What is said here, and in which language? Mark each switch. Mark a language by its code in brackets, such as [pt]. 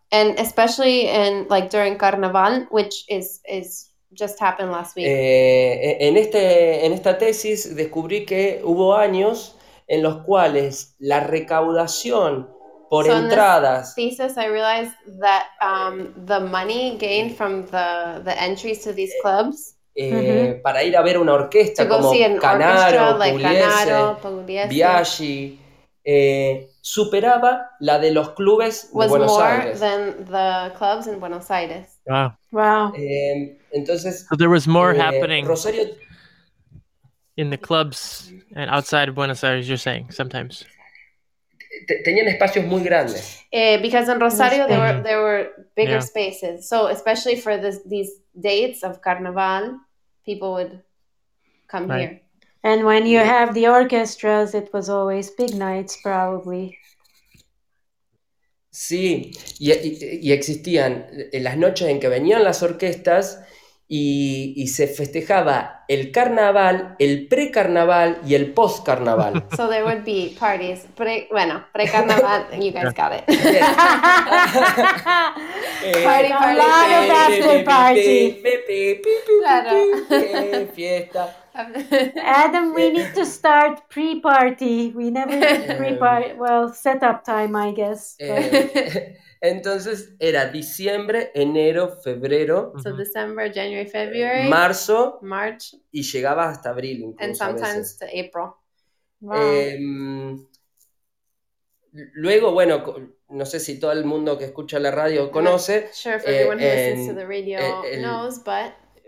[en] And especially in like during carnaval, which is just happened last week. [es] En esta tesis descubrí que hubo años en los cuales la recaudación por entradas. [en] So in this thesis, I realized that the money gained from the entries to these clubs. [es] Para ir a ver una orquesta como Canaro, Pugliese, Biaggi, superaba la de los clubes de Buenos Aires. [en] Was more than the clubs in Buenos Aires. Wow. Wow. [es] Entonces. [en] So there was more happening. [es] Rosario. [en] In the clubs and outside of Buenos Aires, you're saying, sometimes. [es] Tenían espacios muy grandes. [en] Because in Rosario, there were bigger spaces. So especially for these dates of Carnaval, people would come here. And when you have the orchestras, it was always big nights, probably. [es] Sí, y existían las noches en que venían las orquestas. Y se festejaba el carnaval, el pre-carnaval y el post-carnaval. [en] So there would be parties. Pre-carnaval, you guys got it. Party. A lot of after parties. [es] Claro. Fiesta. [en] Adam, we need to start pre-party. We never need pre-party. Well, set-up time, I guess. [es] Entonces era diciembre, enero, febrero. [en] So December, January, February. [es] Marzo. [en] March. [es] Y llegaba hasta abril incluso. [en] And sometimes to April. Wow. [es] Luego, bueno, no sé si todo el mundo que escucha la radio conoce. [en] Not sure if everyone who listens to the radio knows, but.